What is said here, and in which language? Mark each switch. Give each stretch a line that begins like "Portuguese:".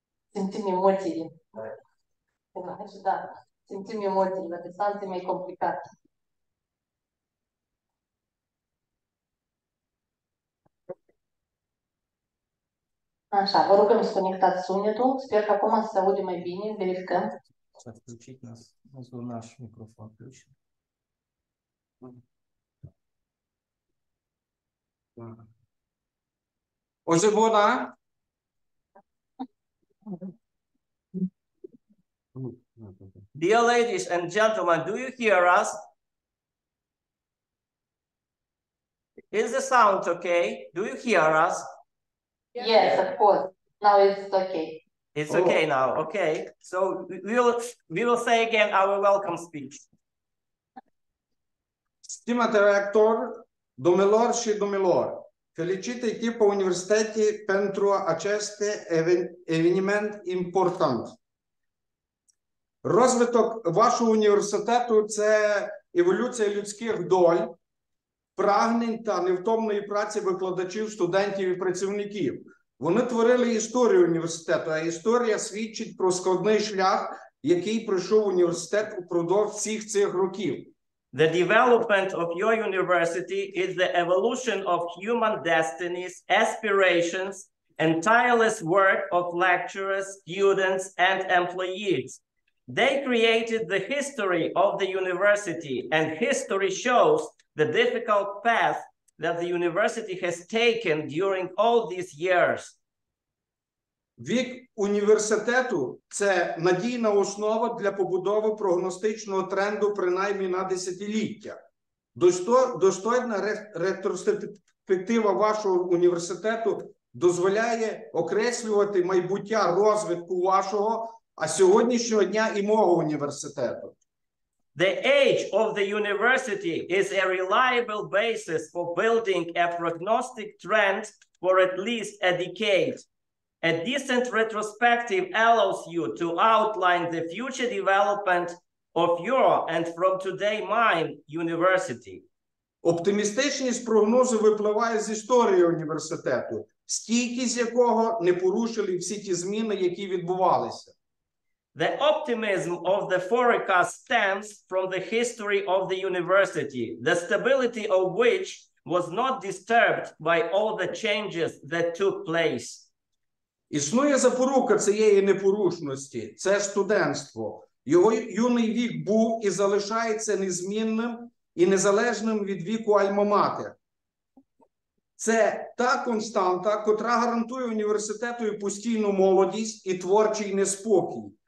Romanian: Simțim emoțiile. Da. Simțim emoțiile, la distanță e mai complicat. Așa, vă rugăm să conectați sunetul. Sper că acum se aude mai bine, verificăm. S-a включit нас, назвал наш микрофон включен. Уже вода?
English: Dear ladies and gentlemen, do you hear us? Is the sound okay? Do you hear us? Yes, of course. Now it's okay. It's okay now. Okay, so we will say again our welcome speech.
Romanian: Stimate rector, domnilor și domnilor, felicit echipa universității pentru acest eveniment important.
Ukrainian: Розвиток вашого університету – це еволюція людських доль, прагнень та невтомної праці викладачів, студентів і працівників. Вони творили історію університету, а історія свідчить про складний шлях, який пройшов університет упродовж всіх цих років.
English: The development of your university is the evolution of human destinies, aspirations, and tireless work of lecturers, students, and employees. They created the history of the university, and history shows the difficult path that the university has taken during all these years.
Ukrainian: Вік університету – це надійна основа для побудови прогностичного тренду принаймні на десятиліття. Достойна ретроспектива вашого університету дозволяє окреслювати майбуття розвитку вашого, а сьогоднішнього дня і мого університету.
English: The age of the university is a reliable basis for building a prognostic trend for at least a decade. A decent retrospective allows you to outline the future development of your and from today mine university.
Ukrainian: Оптимістичність прогнозу випливає з історії університету, стійкість якого не порушили всі ті зміни, які відбувалися.
English: The optimism of the forecast stems from the history of the university, the stability of which was not disturbed by all the changes that took place.
Ukrainian: Існує запорука цієї непорушності – це студентство. Його юний вік був і залишається незмінним і незалежним від віку альма-матер. Це та константа, котра гарантує університету і постійну молодість і творчий неспокій.